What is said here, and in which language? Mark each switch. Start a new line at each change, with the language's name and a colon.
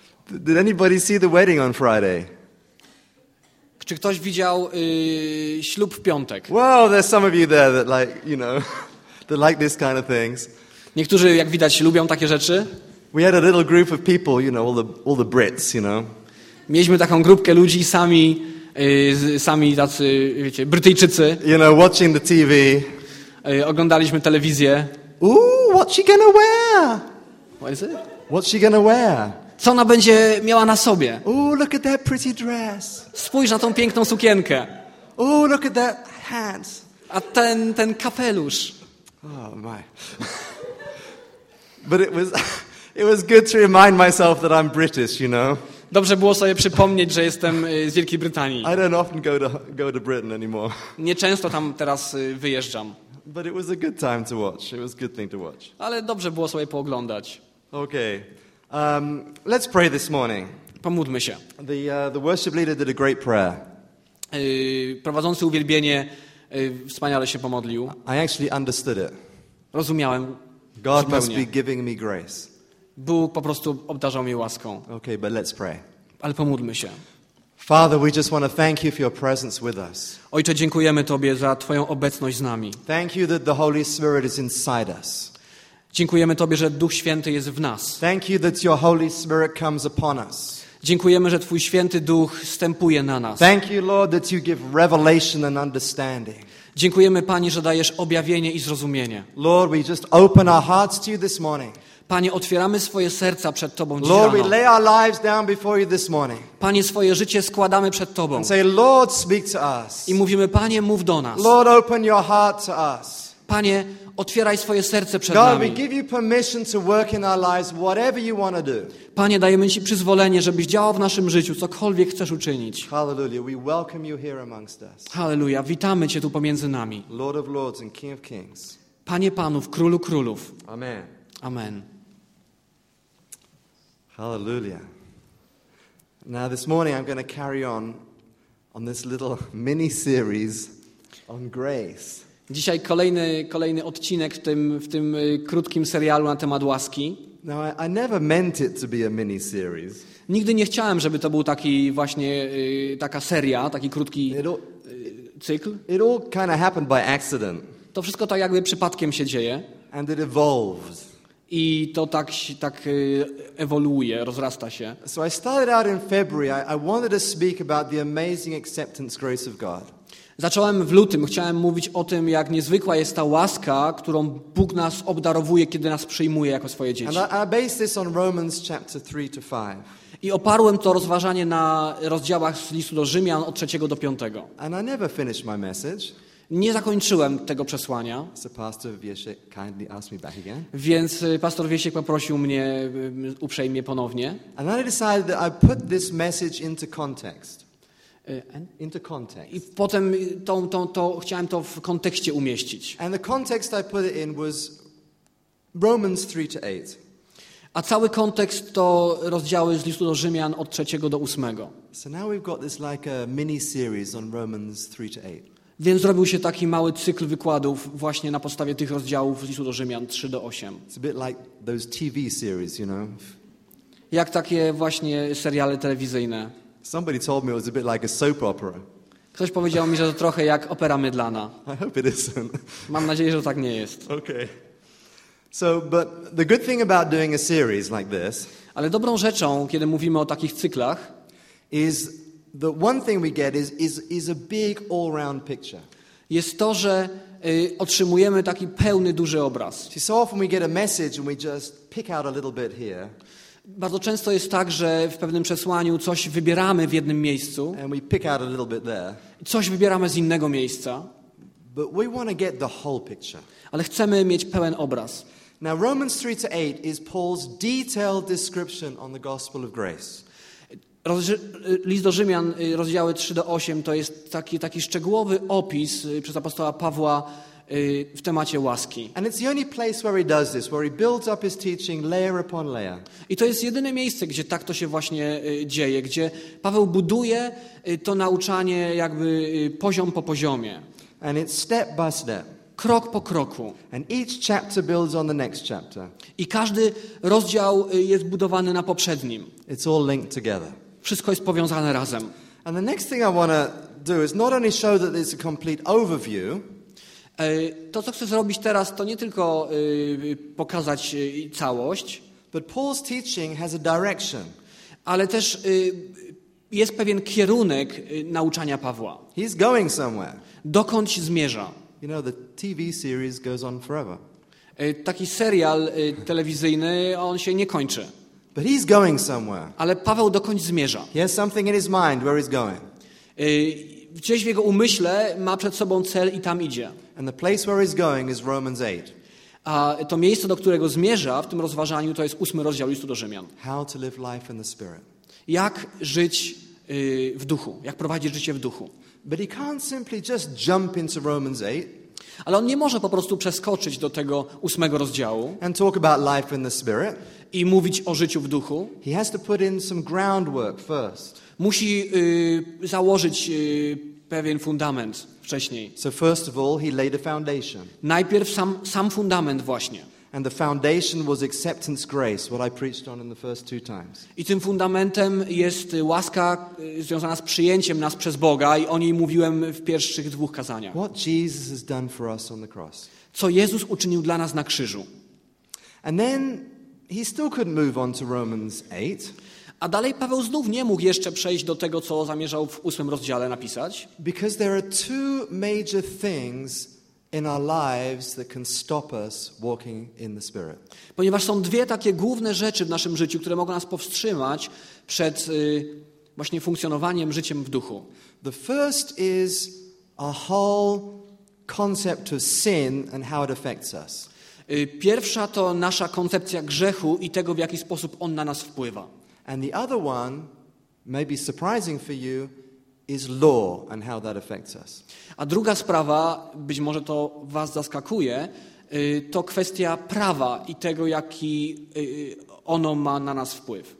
English: Did anybody see the wedding on Friday?
Polish: Czy ktoś widział ślub w piątek?
English: Wow, there's some of you there that like, you know, that like this kind of things.
Polish: Niektórzy, jak widać, lubią takie rzeczy.
English: We had a little group of people, you know, all the Brits, you know.
Polish: Mieliśmy taką grupkę ludzi sami tacy, wiecie, Brytyjczycy.
English: You know, watching the TV.
Polish: Oglądaliśmy telewizję.
English: Ooh, what's she gonna wear? What is it? What's she gonna wear?
Polish: Co ona będzie miała na sobie?
English: Ooh, look at that pretty dress.
Polish: Spójrz na tą piękną sukienkę.
English: Ooh, look at that hat.
Polish: A ten kapelusz.
English: Oh my. But it was good to remind myself that I'm British, you know.
Polish: Dobrze było sobie przypomnieć, że jestem z Wielkiej Brytanii.
English: I don't often go to Britain anymore.
Polish: Nie często tam teraz wyjeżdżam.
English: But it was a good time to watch. It was a good thing to watch.
Polish: Ale dobrze było sobie pooglądać.
English: Okay. Let's pray this morning.
Polish: Pomódlmy się.
English: The worship leader did a great prayer.
Polish: Prowadzący uwielbienie wspaniale się pomodlił.
English: I actually understood it.
Polish: Rozumiałem.
English: God must be giving me grace.
Polish: Bóg po prostu obdarzał mnie łaską.
English: Okay, but let's pray.
Polish: Ale pomódlmy się.
English: Father, we just want to thank you for your presence with us.
Polish: Ojcze, dziękujemy Tobie za Twoją obecność z nami.
English: Thank you that the Holy Spirit is inside us.
Polish: Dziękujemy Tobie, że Duch Święty jest w nas.
English: Thank you that your Holy Spirit comes upon us.
Polish: Dziękujemy, że Twój Święty Duch wstępuje na nas.
English: Thank you, Lord, that you give revelation and understanding.
Polish: Dziękujemy, Panie, że dajesz objawienie i zrozumienie.
English: Lord, we just open our hearts to you this morning.
Polish: Panie, otwieramy swoje serca przed Tobą dziś
English: Lord,
Polish: rano.
English: We lay our lives down before you this morning.
Polish: Panie, swoje życie składamy przed Tobą.
English: And say, Lord, speak to us.
Polish: I mówimy, Panie, mów do nas.
English: Lord, open your heart to us.
Polish: Panie, otwieraj swoje serce przed
English: God,
Polish: nami.
English: God, we give you permission to work in our lives, whatever you want to do.
Polish: Panie, dajemy Ci przyzwolenie, żebyś działał w naszym życiu, cokolwiek chcesz uczynić.
English: Hallelujah, we welcome you here amongst us.
Polish: Hallelujah, witamy Cię tu pomiędzy nami.
English: Lord of lords and King of kings.
Polish: Panie Panów, Królu Królów.
English: Amen.
Polish: Amen.
English: Hallelujah. Now this morning I'm going to carry on this little mini series on grace.
Polish: Dzisiaj kolejny odcinek w tym krótkim serialu na temat łaski.
English: Now I never meant it to be a mini series.
Polish: Nigdy nie chciałem, żeby to był taki właśnie taka seria, taki krótki cykl.
English: It all kind of happened by accident.
Polish: To wszystko tak jakby przypadkiem się dzieje.
English: And it evolves.
Polish: I to tak ewoluuje, rozrasta się.
English: So I started out in February. I wanted to speak about the amazing acceptance grace of God.
Polish: Zacząłem w lutym. Chciałem mówić o tym, jak niezwykła jest ta łaska, którą Bóg nas obdarowuje, kiedy nas przyjmuje jako swoje dzieci.
English: And I based this on Romans chapter 3 to 5.
Polish: I oparłem to rozważanie na rozdziałach z listu do Rzymian od 3 do 5.
English: And I never finished my message.
Polish: Nie zakończyłem tego przesłania.
English: So Pastor Wiesiek kindly asked me back again.
Polish: Więc pastor Wiesiek poprosił mnie uprzejmie ponownie.
English: And then I decided that I put this message into context. Into context.
Polish: I potem to chciałem to w kontekście umieścić.
English: And the context I put it in was Romans 3-8.
Polish: A cały kontekst to rozdziały z listu do Rzymian od 3 do 8.
English: So now we've got this like a mini series on Romans 3-8.
Polish: Więc zrobił się taki mały cykl wykładów właśnie na podstawie tych rozdziałów z listu do Rzymian 3 do 8.
English: It's a bit like those TV series, you know.
Polish: Jak takie właśnie seriale telewizyjne.
English: Somebody told me it was a bit like a soap opera.
Polish: Ktoś powiedział mi, że to trochę jak opera mydlana.
English: I hope it isn't.
Polish: Mam nadzieję, że tak nie jest.
English: Okay. So, but the good thing about doing a series like this.
Polish: Ale dobrą rzeczą, kiedy mówimy o takich cyklach,
English: is the one thing we get is a big all-round picture.
Polish: Jest to, że otrzymujemy taki pełny duży obraz.
English: So often we get a message and we just pick out a little bit here.
Polish: Bardzo często jest tak, że w pewnym przesłaniu coś wybieramy w jednym miejscu.
English: And we pick out a little bit there.
Polish: Coś wybieramy z innego miejsca.
English: But we want to get the whole picture.
Polish: Ale chcemy mieć pełen obraz.
English: Now Romans 3-8 is Paul's detailed description on the gospel of grace.
Polish: List do Rzymian, rozdziały 3 do 8, to jest taki szczegółowy opis przez apostoła Pawła w temacie łaski.
English: And it's the only place where he does this, where he builds up his teaching layer upon layer.
Polish: I to jest jedyne miejsce, gdzie tak to się właśnie dzieje, gdzie Paweł buduje to nauczanie jakby poziom po poziomie.
English: And it's step by step.
Polish: Krok po kroku.
English: And each chapter builds on the next chapter.
Polish: I każdy rozdział jest budowany na poprzednim.
English: It's all linked together.
Polish: Wszystko jest powiązane razem.
English: And the next thing I want to do is not only show that there's a complete overview.
Polish: To, co chcę zrobić teraz, to nie tylko pokazać całość,
English: but Paul's teaching has a direction.
Polish: Ale też jest pewien kierunek nauczania Pawła.
English: He's going somewhere.
Polish: Dokąd się zmierza?
English: You know, the TV series goes on forever.
Polish: Taki serial telewizyjny, on się nie kończy.
English: But he's going somewhere.
Polish: Ale Paweł dokąd zmierza?
English: He has something in his mind where he's going.
Polish: Gdzieś w jego umyśle ma przed sobą cel i tam idzie.
English: And the place where he's going is Romans 8.
Polish: A to miejsce, do którego zmierza w tym rozważaniu, to jest 8 rozdział Listu do Rzymian.
English: How to live life in the Spirit.
Polish: Jak żyć w duchu? Jak prowadzić życie w duchu?
English: But he can't simply just jump into Romans 8.
Polish: Ale on nie może po prostu przeskoczyć do tego 8 rozdziału.
English: And talk about life in the Spirit.
Polish: I mówić o życiu w duchu.
English: He has to put in some groundwork first.
Polish: Musi założyć pewien fundament wcześniej.
English: So first of all, he laid a foundation.
Polish: Najpierw sam fundament właśnie.
English: And the foundation was acceptance grace, what I preached on in the first 2 times.
Polish: I tym fundamentem jest łaska związana z przyjęciem nas przez Boga i o niej mówiłem w pierwszych 2 kazaniach.
English: What Jesus has done for us on the cross.
Polish: Co Jezus uczynił dla nas na krzyżu.
English: And then he still couldn't move on to Romans 8.
Polish: A dalej Paweł znów nie mógł jeszcze przejść do tego, co zamierzał w 8 rozdziale napisać.
English: Because there are 2 major things in our lives that can stop us walking in the Spirit.
Polish: Ponieważ są 2 takie główne rzeczy w naszym życiu, które mogą nas powstrzymać przed właśnie funkcjonowaniem życiem w duchu.
English: The first is a whole concept of sin and how it affects us.
Polish: Pierwsza to nasza koncepcja grzechu i tego, w jaki sposób on na nas wpływa.
English: And the other one, maybe surprising for you, is law and how that affects us.
Polish: A druga sprawa, być może to was zaskakuje, to kwestia prawa i tego, jaki ono ma na nas wpływ.